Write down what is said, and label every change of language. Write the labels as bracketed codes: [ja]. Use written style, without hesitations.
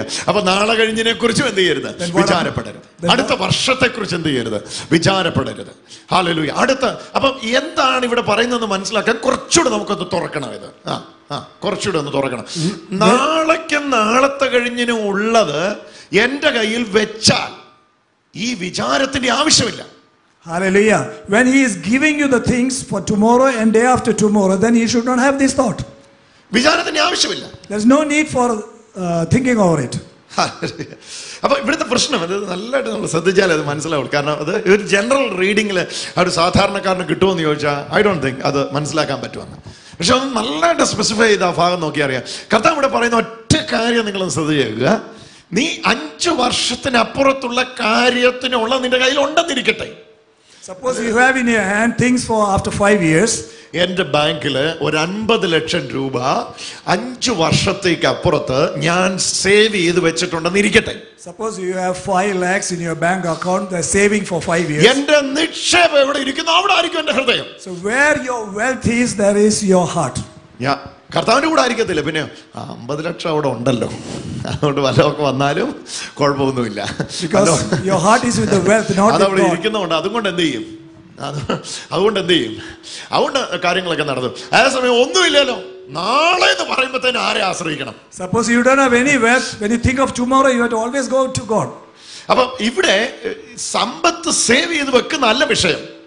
[ml] അപ്പൊ നാളെ കഴിഞ്ഞതിനെ കുറിച്ചും എന്ത് ചെയ്യരുത്? വിചാരപ്പെടരുത്. അടുത്ത വർഷത്തെ കുറിച്ച് എന്ത് ചെയ്യരുത്? വിചാരപ്പെടരുത്. ഹല്ലേലൂയ. അടുത്ത അപ്പൊ എന്താണ് ഇവിടെ പറയുന്നതെന്ന് മനസ്സിലാക്കാൻ കുറച്ചുകൂടെ നമുക്കൊന്ന് തുറക്കണം. ഇത് കുറച്ചുകൂടെ ഒന്ന് തുറക്കണം. നാളെക്കും നാളത്തെ കഴിഞ്ഞിനും ഉള്ളത് എന്റെ കയ്യിൽ വെച്ചാൽ ഈ വിചാരത്തിന്റെ ആവശ്യമില്ല. [en] Hallelujah. When he is giving you the things for tomorrow and day after tomorrow, then you should not have this thought. [ml] വിചാരത്തിന് ആവശ്യമില്ല. [en] There is no need for thinking over it. [ml] അപ്പൊ ഇവിടുത്തെ പ്രശ്നം അത് നല്ലതായിട്ട് നമ്മൾ ശ്രദ്ധിച്ചാൽ അത് മനസ്സിലാവും. കാരണം അത് ഒരു ജനറൽ റീഡിംഗില് ഒരു സാധാരണക്കാരന് കിട്ടുമെന്ന് ചോദിച്ചാൽ [en] I don't think [ml] അത് മനസ്സിലാക്കാൻ പറ്റുമെന്ന്. പക്ഷെ ഒന്ന് നല്ലതായിട്ട് സ്പെസിഫൈ ചെയ്ത ആ ഭാഗം നോക്കി അറിയാം. കർത്താവ് ഇവിടെ പറയുന്ന ഒറ്റ കാര്യം നിങ്ങളൊന്ന് ശ്രദ്ധിച്ചേക്കുക. നീ 5 വർഷത്തിനപ്പുറത്തുള്ള കാര്യത്തിനുള്ള നിന്റെ കയ്യിൽ ഉണ്ടെന്നിരിക്കട്ടെ. [en] Suppose you have in your hand things for after 5 years. [ml] എന്റെ ബാങ്കില് ഒരു 50 ലക്ഷം രൂപ 5 വർഷത്തേക്ക് അപ്പുറത്ത് ഞാൻ സേവ് ചെയ്ത് വെച്ചിട്ടുണ്ടെന്ന് ഇരിക്കട്ടെ. [en] Suppose you have 5 lakhs in your bank account, they're saving for 5 years. [ml] എന്റെ നിക്ഷേപം എവിടെ ഇരിക്കുന്നു? അവിടെ ആയിരിക്കും എന്റെ ഹൃദയം. [en] So where your wealth is, there is your heart. [ml] Yeah. കർത്താവിന്റെ കൂടെ ആയിരിക്കത്തില്ല. പിന്നെ 50 ലക്ഷം അവിടെ ഉണ്ടല്ലോ, അതുകൊണ്ട് വല്ലതൊക്കെ വന്നാലും കുഴപ്പമൊന്നുമില്ല. അതവിടെ ഇരിക്കുന്നതുകൊണ്ട് അതുകൊണ്ട് എന്ത് ചെയ്യും? അതുകൊണ്ട് എന്ത് ചെയ്യും? അതുകൊണ്ട് കാര്യങ്ങളൊക്കെ നടന്നു. അതേസമയം ഒന്നുമില്ലല്ലോ നാളെ എന്ന് പറയുമ്പോഴത്തേന് ആരെ ആശ്രയിക്കണം? [en] Suppose you don't have any wealth, when you think of tomorrow, you have to always go to God. [ml] അപ്പൊ ഇവിടെ സമ്പത്ത് സേവ് ചെയ്ത് വെക്കുന്ന നല്ല വിഷയം.